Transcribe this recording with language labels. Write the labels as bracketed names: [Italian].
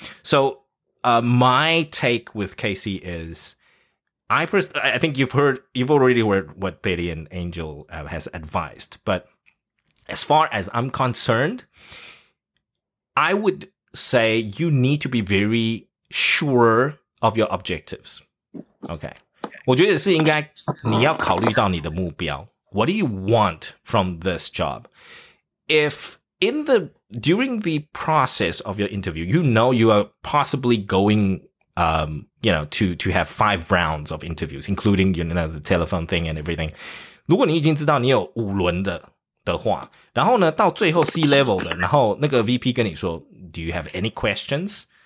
[English] So, my take with Casey is, I think you've already heard what Betty and Angel has advised, but as far as I'm concerned, I would say you need to be very sure of your objectives. Okay. [Chinese] 我觉得是应该你要考虑到你的目标。 [English] What do you want from this job? If during the process of your interview, you know you are possibly going, you know, to have 5 rounds of interviews, including, you know, the telephone thing and everything. [Chinese] 如果你已经知道你有五轮的话，然后呢，到最后 C-level 的，然后那个 VP 跟你说 , [English] Do you have any questions?